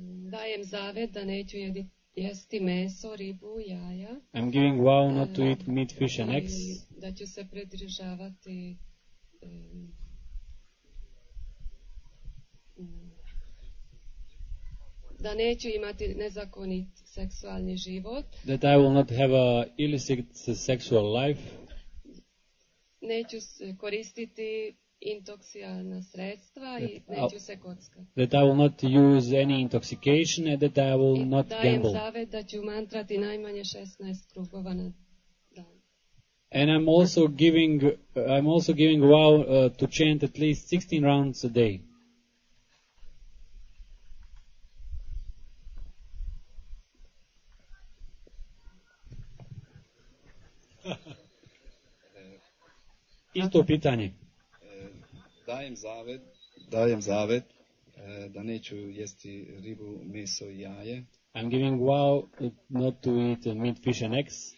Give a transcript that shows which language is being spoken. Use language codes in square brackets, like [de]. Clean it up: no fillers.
[sr] Dajem zavet da neću jesti meso, ribu, jaja. [en] I'm giving vow not to eat meat, fish and eggs. [sr] Da ću se pridržavati da neću imati nezakonit seksualni život. [en] That I will not have a illicit sexual life. [sr] Neću koristiti intoksikacijna sredstva i neću se kockati. [en] That I will not use any intoxication and that I will not gamble. [sr] Dajem zavet da ću mantrati najmanje 16 krugova na dan. [en] And I'm also giving vow to chant at least 16 rounds a day. Uh, [sr] Isto pitanje. Dajem zavet da neću jesti ribu, meso i jaje. [en] I'm giving vow not to eat meat, fish and eggs.